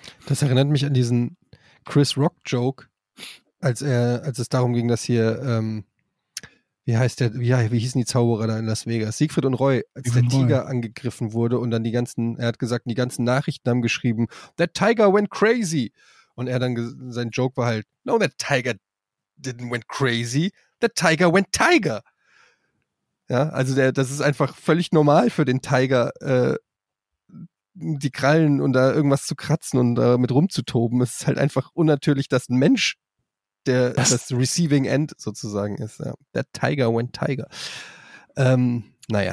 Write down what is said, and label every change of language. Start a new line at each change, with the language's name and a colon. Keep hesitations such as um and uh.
German: Das erinnert mich an diesen Chris Rock Joke, als er, als es darum ging, dass hier, ähm, wie heißt der, wie, wie hießen die Zauberer da in Las Vegas? Siegfried und Roy, als der Siegfried und Roy. Tiger angegriffen wurde und dann die ganzen, er hat gesagt, die ganzen Nachrichten haben geschrieben,
English: that tiger went crazy.
German: Und er dann, ge- sein Joke war halt,
English: no, that tiger didn't went crazy, that tiger went tiger.
German: Ja, also der, das ist einfach völlig normal für den Tiger, äh, die Krallen und da irgendwas zu kratzen und da mit rumzutoben. Es ist halt einfach unnatürlich, dass ein Mensch der das, Das- Receiving End sozusagen ist. Ja. Der Tiger went Tiger. Ähm, naja.